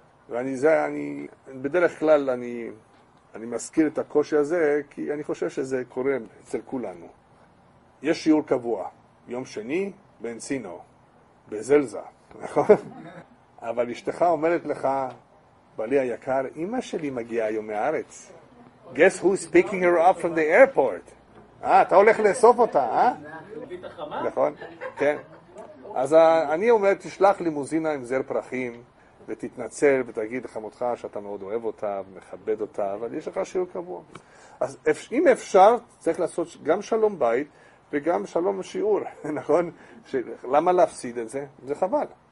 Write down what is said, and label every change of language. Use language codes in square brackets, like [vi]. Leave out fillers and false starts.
[he] ואני בדרך כלל מזכיר את הקושי הזה, כי אני חושב שזה קורה אצל כולנו. יש שיעור קבוע, יום שני, בנצינו, בזלזה, נכון? אבל אשתך אומרת לך, בעלי היקר, אמא שלי מגיעה היום מארץ. [en] Guess who's picking her up from the airport? [he] אתה הולך לאסוף אותה, אה? נכון, כן. אז אני אומר, תשלח לימוזינה עם זר פרחים, ותתנצל ותגיד לחמותך שאתה מאוד אוהב אותה ומכבד אותה, אבל יש לך שיעור קבוע. אז אם אפשר, צריך לעשות גם שלום בית וגם שלום שיעור, נכון? למה להפסיד את זה? זה חבל.